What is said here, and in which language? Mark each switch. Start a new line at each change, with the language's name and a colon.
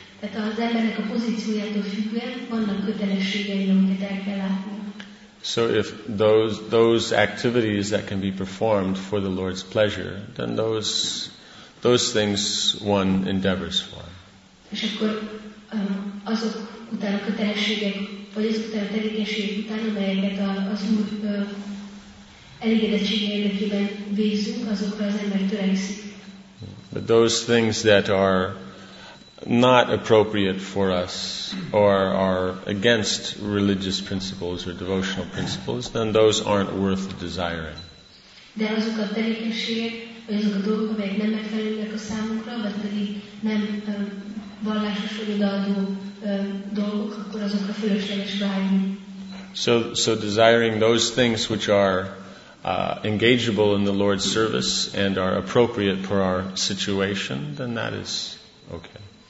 Hungarian: Tehát az embernek a pozíciójától függően vannak kötelességei, amiket el kell látni.
English: So if those activities that can be performed for the Lord's pleasure, then those things one endeavors for.
Hungarian: És akkor azok utána kötelességek, vagy azok utána tevékenységek után, amelyeket az Úr elégedettsége érdekében végzünk, azokra az ember törekszik.
English: But those things that are not appropriate for us or are against religious principles or devotional principles, then those aren't worth desiring.
Hungarian: De azok a tevékenységek, vagy azok a dolgok, amelyek nem megfelelőek a számunkra, vagy pedig nem vallásos vagy odaadó dolgok, akkor azokra fölösleges vágyni.
English: So desiring those things which are engageable in the Lord's service and are appropriate for our situation, then that is okay.